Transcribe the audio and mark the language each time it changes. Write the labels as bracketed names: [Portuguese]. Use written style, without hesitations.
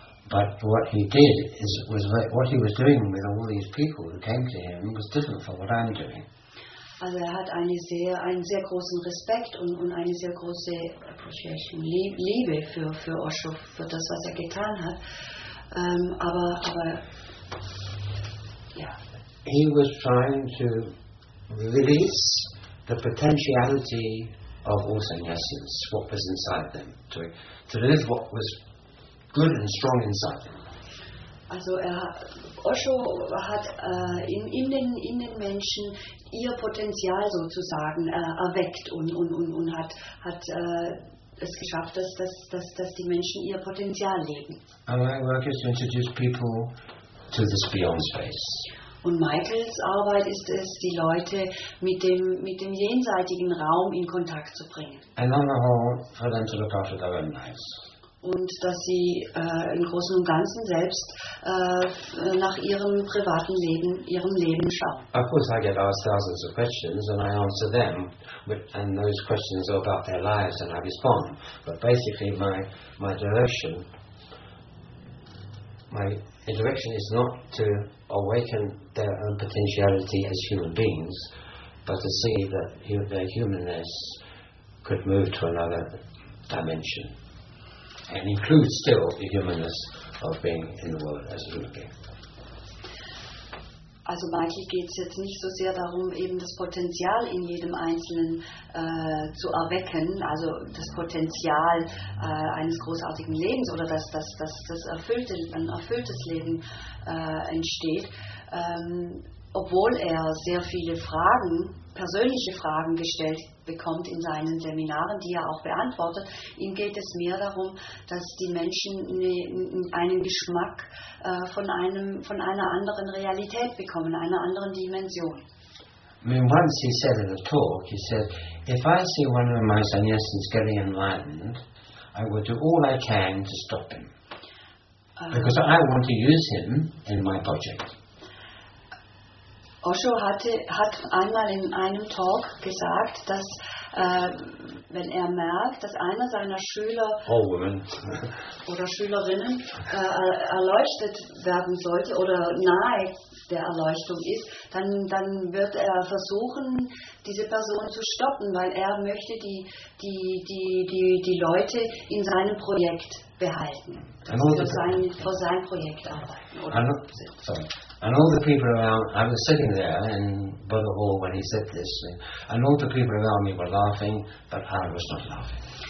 [English] But what he did was what he was doing with all these people who came to him was different from what I'm doing. [German] Also er hat einen sehr großen Respekt und eine sehr große Liebe für Osho, für das, was er getan hat. Aber ja. [English] He was trying to release the potentiality of all sannyasins, what was inside them, to live what was good and strong inside them. [German] Also Osho hat in den Menschen ihr Potenzial sozusagen erweckt und hat es geschafft, dass die Menschen ihr Potenzial leben. [English] My work is to introduce people to this beyond space. [German] Und Michaels Arbeit ist es, die Leute mit dem jenseitigen Raum in Kontakt zu bringen. [English] And on the whole, for them to look after their own lives. [German] Und dass sie im Großen und Ganzen selbst nach ihrem privaten Leben, ihrem Leben schauen. [English] Of course I get asked thousands of questions and I answer them, and those questions are about their lives and I respond. But basically my direction is not to awaken their own potentiality as human beings, but to see that their humanness could move to another dimension. And includes still the humanness of being in the world as a human being. [German] Also Michael geht es jetzt nicht so sehr darum, eben das Potenzial in jedem Einzelnen zu erwecken, also das Potenzial eines großartigen Lebens oder dass ein erfülltes Leben entsteht. Obwohl er sehr viele Fragen, persönliche Fragen gestellt bekommt in seinen Seminaren, die er auch beantwortet, ihm geht es mehr darum, dass die Menschen einen Geschmack von einer anderen Realität bekommen, einer anderen Dimension. [English] I mean, once he said in a talk, he said, if I see one of my sannyasins getting enlightened, I will do all I can to stop him. Because I want to use him in my project. [German] Osho hat einmal in einem Talk gesagt, dass wenn er merkt, dass einer seiner Schüler oder Schülerinnen erleuchtet werden sollte oder nahe der Erleuchtung ist, dann wird er versuchen, diese Person zu stoppen, weil er möchte die Leute in seinem Projekt behalten. Vor sein Projekt arbeiten. [English] And all the people around, I was sitting there in Buddha Hall when he said this, and all the people around me were laughing, but I was not laughing.